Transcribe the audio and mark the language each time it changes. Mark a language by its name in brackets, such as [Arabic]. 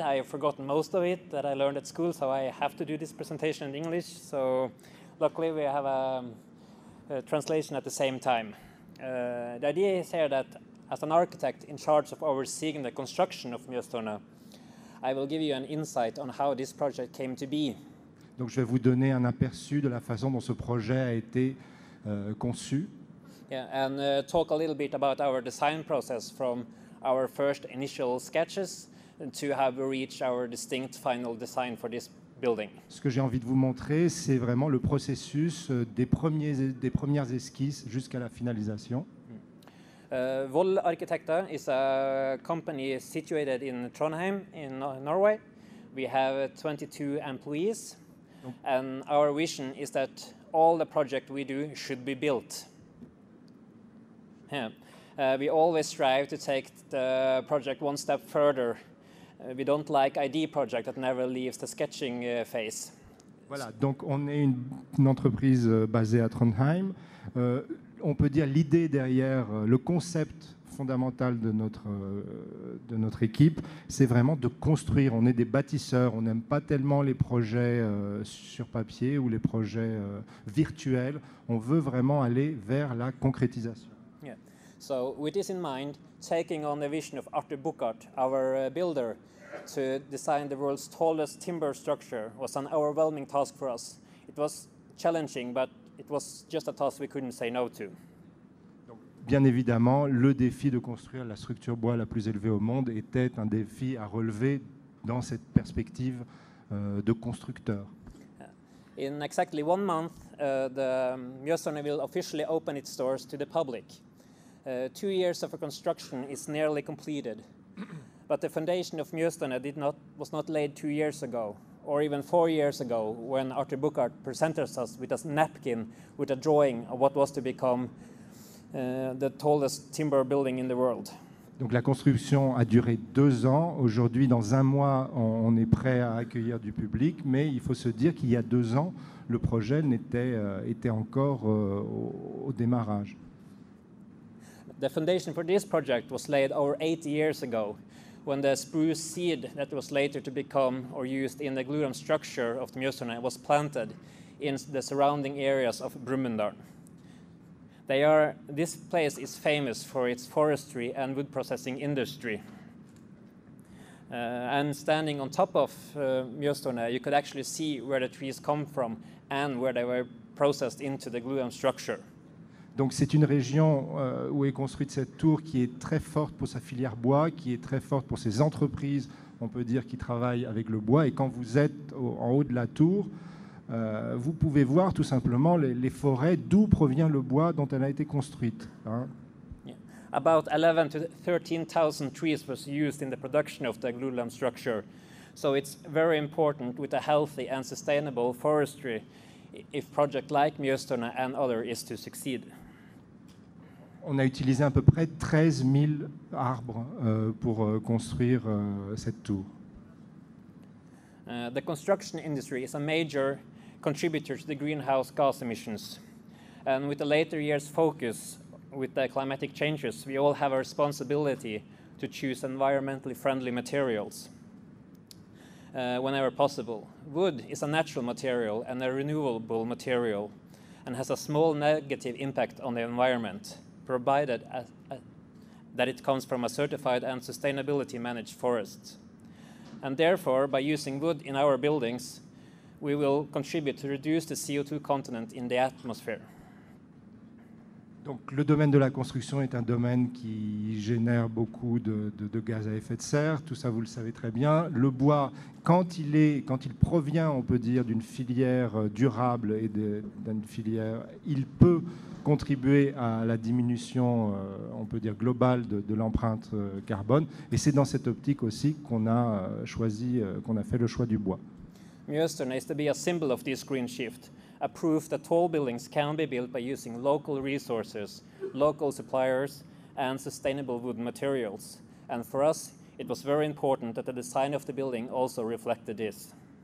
[English] I have forgotten most of it that I learned at school, so I have to do this presentation in English. So, luckily, we have a. Translation at the same time. The idea is here that as an architect in charge of overseeing the construction of Mjøstårnet, I will give you an insight on how this project came to be. [French] Donc je vais vous donner un aperçu de la façon dont ce projet a été conçu. [English] Yeah, and talk a little bit about our design process from our first initial sketches to have reached our distinct final design for this building. [French] Ce que j'ai envie de vous montrer, c'est vraiment le processus des premières esquisses jusqu'à la finalisation. [English] Voll Arkitekter is a company situated in Trondheim in Norway. We have 22 employees. Oh. And our vision is that all the project we do should be built. Yeah. We always strive to take the project one step further. We don't like ID project that never leaves the sketching phase. [French] Voilà, donc on est une entreprise basée à Trondheim. On peut dire l'idée derrière, le concept fondamental de notre équipe, c'est vraiment de construire. On est des bâtisseurs, on n'aime pas tellement les projets sur papier ou les projets virtuels. On veut vraiment aller vers la concrétisation. [English] So with this in mind, taking on the vision of Arthur Bucart, our builder, to design the world's tallest timber structure was an overwhelming task for us. It was challenging, but it was just a task we couldn't say no to. [French] Donc, bien évidemment, le défi de construire la structure bois la plus élevée au monde était un défi à relever dans cette perspective de constructeur. [English] In exactly 1 month, the Mjøstårnet will officially open its doors to the public. 2 years of a construction is nearly completed, but the foundation of Mjøstårnet was not laid 2 years ago, or even 4 years ago, when Arthur Bucart presented us with a napkin with a drawing of what was to become the tallest timber building in the world. [French] Donc la construction a duré 2 ans. Aujourd'hui, dans un mois, on est prêt à accueillir du public, mais il faut se dire qu'il y a 2 ans, le projet était encore au démarrage. [English] The foundation for this project was laid over 8 years ago, when the spruce seed that was later to become or used in the glurum structure of the Mjøstårnet was planted in the surrounding areas of Brumunddal. This place is famous for its forestry and wood processing industry. And standing on top of Mjøstårnet, you could actually see where the trees come from and where they were processed into the glurum structure. [French] Donc c'est une région où est construite cette tour qui est très forte pour sa filière bois, qui est très forte pour ses entreprises, on peut dire, qui travaillent avec le bois. Et quand vous êtes en haut de la tour, vous pouvez voir tout simplement les forêts d'où provient le bois dont elle a été construite. Hein. [English] Yeah. About 11 to 13,000 trees was used in the production of the glulam structure. So it's very important with a healthy and sustainable forestry if project like Mjøstårnet and other is to succeed. [French] On a utilisé à peu près 13 000 arbres pour construire cette tour. [English] The construction industry is a major contributor to the greenhouse gas emissions. And with the later years focus with the climatic changes, we all have a responsibility to choose environmentally friendly materials whenever possible. Wood is a natural material and a renewable material and has a small negative impact on the environment, provided that it comes from a certified and sustainability managed forest. And therefore, by using wood in our buildings, we will contribute to reduce the CO2 content in the atmosphere. [French] Donc, le domaine de la construction est un domaine qui génère beaucoup de gaz à effet de serre. Tout ça, vous le savez très bien. Le bois, quand il provient, on peut dire, d'une filière durable et d'une filière, il peut contribuer à la diminution, on peut dire, globale de l'empreinte carbone. Et c'est dans cette optique aussi qu'on a choisi, qu'on a fait le choix du bois. [English] Mjøstene is to be a symbol of this green shift. A proof that tall buildings can be built by using local resources, local suppliers, and sustainable wood materials. And for us, it was very important that the design of the building also reflected this.